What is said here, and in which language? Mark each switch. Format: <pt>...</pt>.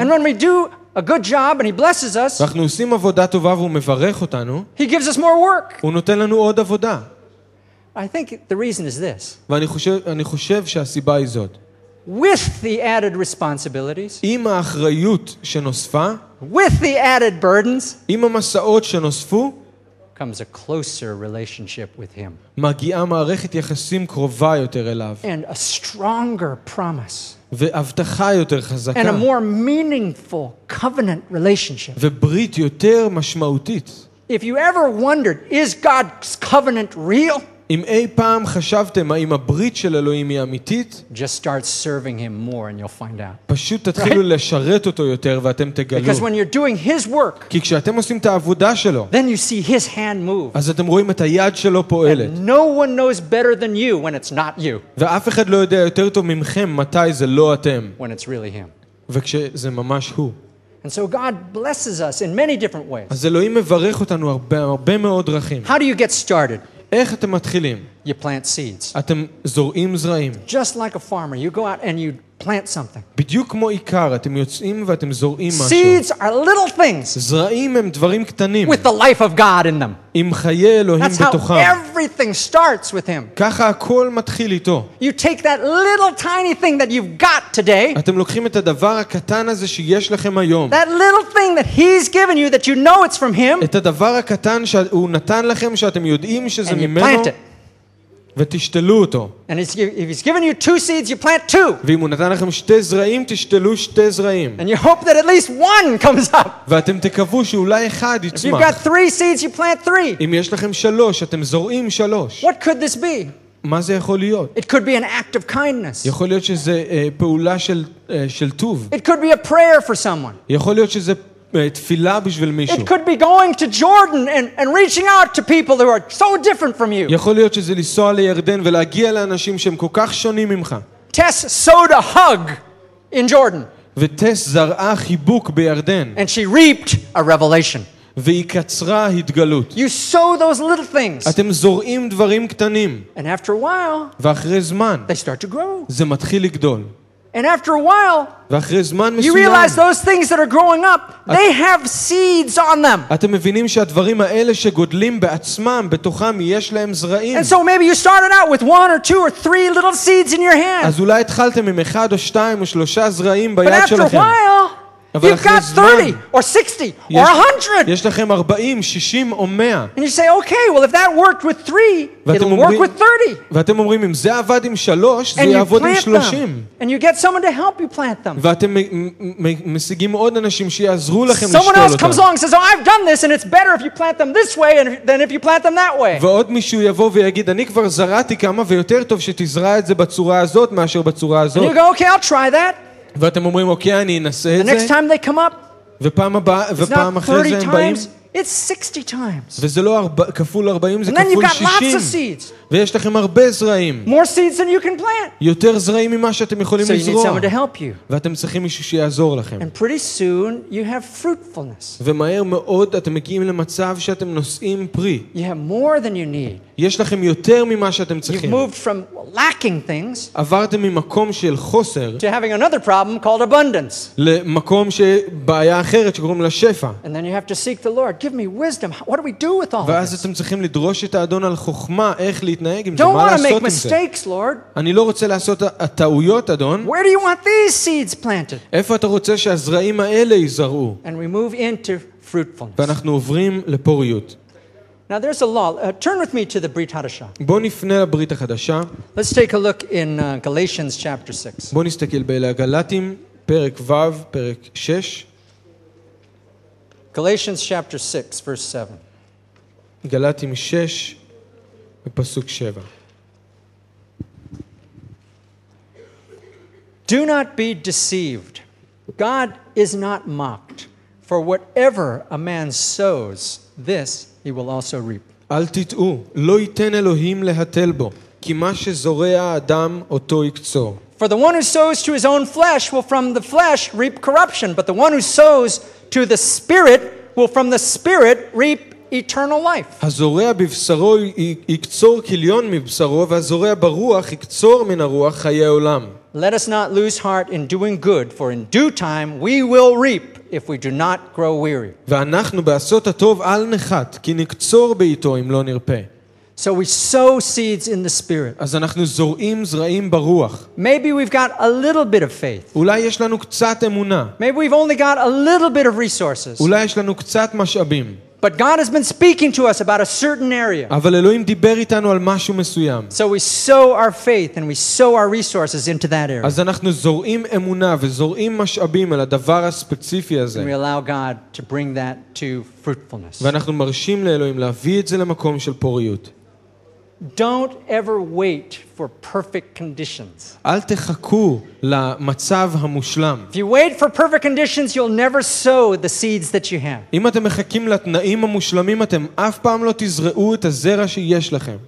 <en>And when we do a good job and he blesses us.</en> <he>אנחנו עושים עבודה טובה והוא מברך אותנו.</he> <en>He gives us more work.</en> <he>הוא נותן לנו עוד עבודה.</he> <en>I think the reason is this.</en> <he>ואני חושב שהסיבה היא זאת.</he> <en>with the added responsibilities,</en> <he>עם האחריות שנוספה,</he> <en>with the added burdens,</en> <he>עם המסעות שנוספו,</he> <en>comes a closer relationship with him.</en> <he>מגיעה מערכת יחסים קרובה יותר אליו.</he> <en>And a stronger promise.</en> <he>והבטחה יותר חזקה.</he> <en>And a more meaningful covenant relationship.</en> <he>וברית יותר משמעותית.</he> <en>If you ever wondered, is God's covenant real?</en> <he>אם אי פעם חשבתם האם הברית של אלוהים היא אמיתית?</he> <en>Just start serving him more and you'll find out.</en> <he>פשוט תתחילו</he> <en>right?</en> <he>לשרת אותו יותר ואתם תגלו.</he> <en>Because when you're doing his work,</en> <he>כי כשאתם עושים את העבודה שלו,</he> <en>then you see his hand move.</en> <he>אז אתם רואים את היד שלו פועלת.</he> <en>And no one knows better than you when it's not you.</en> <he>ואף אחד לא יודע יותר טוב ממכם מתי זה לא אתם.</he> <en>When it's really him.</en> <he>וכשזה ממש הוא.</he> <en>And so God blesses us in many different ways.</en> <he>אז אלוהים מברך אותנו הרבה מאוד דרכים.</he> <en>How do you get started?</en> <he>איך אתם מתחילים?</he> <en>You plant seeds.</en> <he>אתם זורעים זרעים.</he> <en>Just like a farmer, you go out and you plant something.</en> <he>בדיוק כמו איכר, אתם יוצאים ואתם זורעים משהו.</he> <en>Seeds are little things.</en> <he>זרעים הם דברים קטנים.</he> <en>With the life of God in them.</en> <he>עם חיי אלוהים בתוכם.</he> <en>That's how everything starts with him.</en> <he>ככה הכל מתחיל איתו.</he> <en>You take that little tiny thing that you've got today.</en> <he>אתם לוקחים את הדבר הקטן הזה שיש לכם היום.</he> <en>That little thing that he's given you that you know it's from him.</en> <he>את הדבר הקטן שהוא נתן לכם שאתם יודעים שזה ממנו.</he> <en>And you plant it.</en> <he>ותשתלו אותו.</he> <en>And if he's given you two seeds, you plant two.</en> <he>ואם הוא נתן לכם שתי זרעים, תשתלו שתי זרעים.</he> <en>And you hope that at least one comes up.</en> <he>ואתם תקוו שאולי אחד יצמח.</he> <en>If you've got three seeds, you plant three.</en> <he>אם יש לכם שלוש, אתם זורעים שלוש.</he> <en>What could this be?</en> <he>מה זה יכול להיות?</he> <en>It could be an act of kindness.</en> <he>יכול להיות שזה פעולה של טוב.</he> <en>It could be a prayer for someone.</en> <he>יכול להיות שזה תפילה בשביל מישהו.</he> <en>It could be going to Jordan and reaching out to people who are so different from you.</en> <he>יכול להיות שזה לנסוע לירדן ולהגיע לאנשים שהם כל כך שונים ממך.</he> <en>Tess sowed a hug in Jordan.</en> <he>וטס זרעה חיבוק בירדן.</he> <en>And she reaped a revelation.</en> <he>והיא קצרה התגלות.</he> <en>You sow those little things.</en> <he>אתם זורעים דברים קטנים.</he> <en>And after a while,</en> <he>ואחרי זמן,</he> <en>they start to grow.</en> <he>זה מתחיל לגדול.</he> <en>And after a while,</en> <he>ואחרי זמן מסוים,</he> <en>you realize those things that are growing up, they have seeds on them.</en> <he>אתם מבינים שהדברים האלה שגודלים בעצמם, בתוכם יש להם זרעים.</he> <en>And so maybe you started out with one or two or three little seeds in your hand.</en> <he>אז אולי התחלתם עם אחד או שתיים או שלושה זרעים ביד שלכם.</he> <en>But after a while, you've got 30 or 60 or 100.</en> <he>יש לכם 40, 60 או 100.</he> <en>And you say, okay, well, if that worked with 3, it'll work with 30.</en> <he>ואתם אומרים, אם זה עבד עם 3, זה יעבוד עם 30.</he> <en>And you get someone to help you plant them.</en> <he>ואתם משיגים עוד אנשים שיעזרו לכם לשתול אותם.</he> <en>Someone else comes along and says, oh, I've done this, and it's better if you plant them this way than if you plant them that way.</en> <he>ועוד מישהו יבוא ויגיד, אני כבר זרעתי כמה, ויותר טוב שתזרע את זה בצורה הזאת מאשר בצורה הזאת.</he> <en>And you go, okay, I'll try that.</en> <he>ואתם אומרים, אוקיי, אני אנסה את זה.</he> <en>The next time they come up,</en> <he>ופעם הבא, ופעם אחרי זה הם באים.</he> <en>It's 60 times.</en> <he>וזה לא כפול 40, זה כפול 60. ויש לכם הרבה זרעים.</he> <en>More seeds than you can plant.</en> <he>יותר זרעים ממה שאתם יכולים לזרוע.</he> <en>So you need someone to help you.</en> <he>ואתם צריכים מישהו שיעזור לכם.</he> <en>And pretty soon you have fruitfulness.</en> <he>ומהר מאוד אתם מגיעים למצב שאתם נושאים פרי.</he> <en>You have more than you need.</en> <he>יש לכם יותר ממה שאתם צריכים.</he> <en>You've moved from lacking things.</en> <he>עברתם ממקום של חוסר.</he> <en>To having another problem called abundance.</en> <he>למקום שבעיה אחרת שקוראים לה שפע.</he> <en>And then you have to seek the Lord. Give me wisdom. What do we do with all this?</en> <he>ואז אתם צריכים לדרוש את האדון על חוכמה איך להתנהג עם זה, מה לעשות עם זה.</he> <en>Don't want to make mistakes, Lord.</en> <he>אני לא רוצה לעשות טעויות, אדון.</he> <en>Where do you want these seeds planted?</en> <he>איפה אתה רוצה שהזרעים האלה ייזרעו?</he> <en>And we move into fruitfulness.</en> <he>ואנחנו עוברים לפוריות.</he> <en>Now there's a law. Turn with me to the Brit Hadasha.</en> <he>בוא נפנה לברית החדשה.</he> <en>Let's take a look in Galatians chapter 6.</en> <he>בוא נסתכל בגלאטים פרק ו, פרק 6.</he> <en>Galatians chapter 6 verse 7.</en> <he>גלאטים 6 פסוק 7.</he> <en>Do not be deceived. God is not mocked. For whatever a man sows, this he will also reap.</en> <he>אל תטעו, לא ייתן אלוהים להתל בו, כי מה שזורע האדם אותו יקצור.</he> <en>For the one who sows to his own flesh will from the flesh reap corruption, but the one who sows to the spirit will from the spirit reap eternal life.</en> <he>הזורע בבשרו יקצור כליון מבשרו, והזורע ברוח יקצור מן הרוח חיי עולם.</he> <en>Let us not lose heart in doing good, for in due time we will reap if we do not grow weary.</en> <he>ואנחנו בעשות הטוב אל נחת, כי נקצור בעיתו אם לא נרפה.</he> <en>So we sow seeds in the spirit.</en> <he>אז אנחנו זורעים זרעים ברוח.</he> <en>Maybe we've got a little bit of faith.</en> <he>אולי יש לנו קצת אמונה.</he> <en>Maybe we've only got a little bit of resources.</en> <he>אולי יש לנו קצת משאבים.</he> <en>But God has been speaking to us about a certain area.</en> <he>אבל אלוהים דיבר איתנו על משהו מסוים.</he> <en>So we sow our faith and we sow our resources into that area.</en> <he>אז אנחנו זורעים אמונה וזורעים משאבים על הדבר הספציפי הזה.</he> <en>And we allow God to bring that to fruitfulness.</en> <he>ואנחנו מרשים לאלוהים להביא את זה למקום של פוריות.</he> <en>Don't ever wait for perfect conditions.</en> <he>אל תחכו למצב המושלם.</he> <en>If you wait for perfect conditions, you'll never sow the seeds that you have.</en> <he>אם אתם מחכים לתנאים המושלמים, אתם אף פעם לא תזרעו את הזרע שיש לכם.</he>